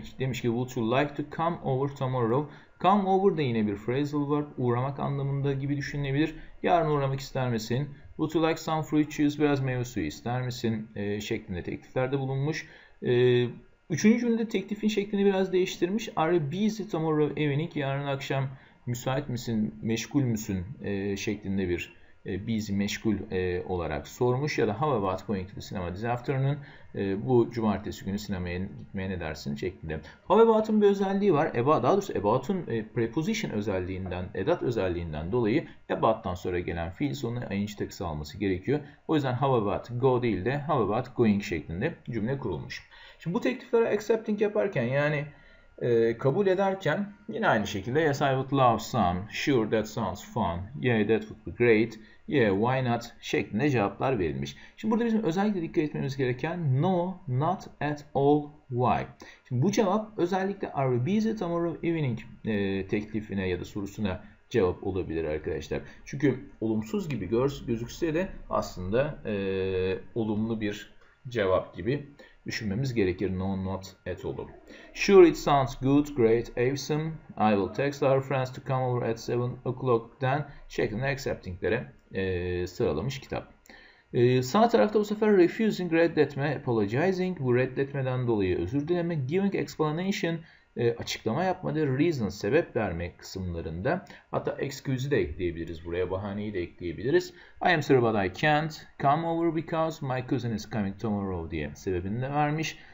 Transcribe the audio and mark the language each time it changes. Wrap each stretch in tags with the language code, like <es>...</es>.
<tr>Demiş ki</tr> <en>Would you like to come over tomorrow?</en> <tr>Come over de yine bir phrasal verb, uğramak anlamında gibi düşünülebilir. Yarın uğramak ister misin?</tr> <en>Would you like some fruit juice?</en> <tr>Biraz meyve suyu ister misin? Şeklinde tekliflerde bulunmuş. Üçüncü cümlede teklifin şeklini biraz değiştirmiş.</tr> <en>Are you busy tomorrow evening?</en> <tr>Yarın akşam müsait misin? Meşgul müsün? Şeklinde bir busy meşgul olarak sormuş. Ya da</tr> <en>how about going to the cinema this afternoon?</en> <tr>Bu cumartesi günü sinemaya gitmeye ne dersin? Şeklinde. How about'un bir özelliği var. Daha doğrusu about'un preposition özelliğinden, edat özelliğinden dolayı about'tan sonra gelen fiil sonuna ing takısı alması gerekiyor. O yüzden how about go değil de how about going şeklinde cümle kurulmuş. Şimdi bu tekliflere accepting yaparken, yani Kabul ederken yine aynı şekilde</tr> <en>yes I would love some, sure that sounds fun, yeah that would be great, yeah why not</en> <tr>şeklinde cevaplar verilmiş. Şimdi burada bizim özellikle dikkat etmemiz gereken</tr> <en>no not at all why.</en> <tr>Şimdi bu cevap özellikle</tr> <en>are we busy tomorrow evening</en> <tr>teklifine ya da sorusuna cevap olabilir arkadaşlar. Çünkü olumsuz gibi gözükse de aslında olumlu bir cevap gibi düşünmemiz gerekir.</tr> <en>No, not at all. Sure, it sounds good, great, awesome. I will text our friends to come over at 7 o'clock.</en> <tr>Then, şeklinde accepting'lere sıralamış kitap. Sağ tarafta bu sefer refusing, reddetme, apologizing. Bu reddetmeden dolayı özür dileme. Giving explanation, açıklama yapma da reason, sebep verme kısımlarında. Hatta excuse'i de ekleyebiliriz buraya. Bahaneyi de ekleyebiliriz.</tr> <en>I am sorry but I can't come over because my cousin is coming tomorrow</en> <tr>diye sebebini de vermiş.</tr>